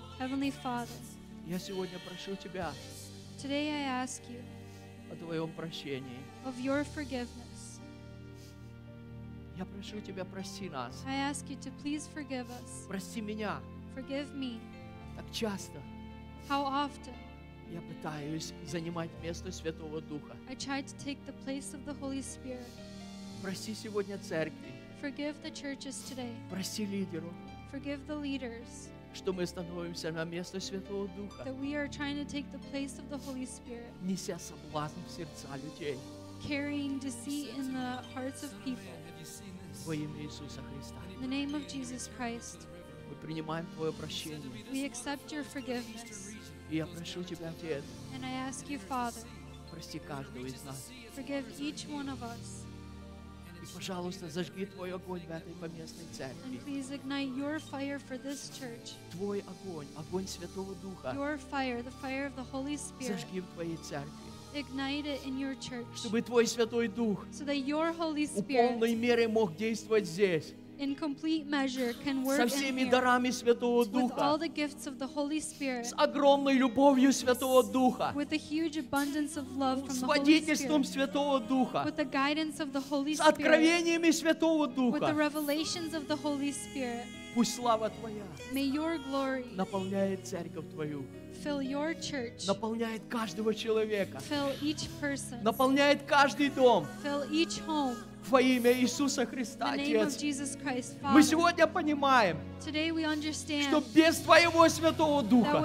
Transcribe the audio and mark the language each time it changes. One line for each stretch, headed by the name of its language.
English: Heavenly Father,
Russian: я сегодня прошу тебя,
English: today I ask you,
Russian: о твоем прощении,
English: of your forgiveness.
Russian: Я прошу тебя, прости нас.
English: I ask you to please forgive us.
Russian: Прости меня.
English: Forgive me.
Russian: Так часто.
English: How often?
Russian: Я пытаюсь занимать место Святого Духа.
English: I try to take the place of the Holy Spirit.
Russian: Прости сегодня церкви.
English: Forgive the churches today.
Russian: Прости лидеру.
English: Forgive the leaders.
Russian: Что мы становимся на место Святого Духа.
English: That we are trying to take the place of the Holy Spirit.
Russian: Неся соблазн в сердца людей.
English: Carrying deceit in the hearts of people.
Russian: Во имя Иисуса Христа.
English: In the name of Jesus Christ.
Russian: Мы принимаем Твое прощение.
English: We accept your forgiveness.
Russian: И я прошу Тебя, Отец.
English: And I ask you, Father.
Russian: Прости каждого из нас.
English: Forgive each one of us.
Russian: И, пожалуйста, зажги Твой огонь в этой поместной церкви.
English: And please ignite your fire for this church.
Russian: Твой огонь, огонь Святого Духа.
English: Your fire, the fire of the Holy Spirit.
Russian: Зажги в Твоей церкви.
English: Ignite it in your church.
Russian: Чтобы Твой Святой Дух,
English: so that your Holy Spirit,
Russian: в полной мере мог действовать здесь.
English: In complete measure can work
Russian: со всеми дарами Святого Духа,
English: with all the gifts of the Holy Spirit,
Russian: с огромной любовью Святого Духа,
English: with a huge abundance of love from the Holy
Russian: Spirit, с водительством Святого Духа,
English: with the guidance of the Holy Spirit,
Russian: с откровениями Святого Духа,
English: with the revelations of the Holy Spirit.
Russian: Пусть слава Твоя,
English: may your glory,
Russian: наполняет церковь Твою,
English: fill your church,
Russian: наполняет каждого человека,
English: fill each person,
Russian: наполняет каждый дом,
English: fill each home.
Russian: Во имя Иисуса Христа, Отец,
English: Christ, Father,
Russian: мы сегодня понимаем, что без Твоего Святого Духа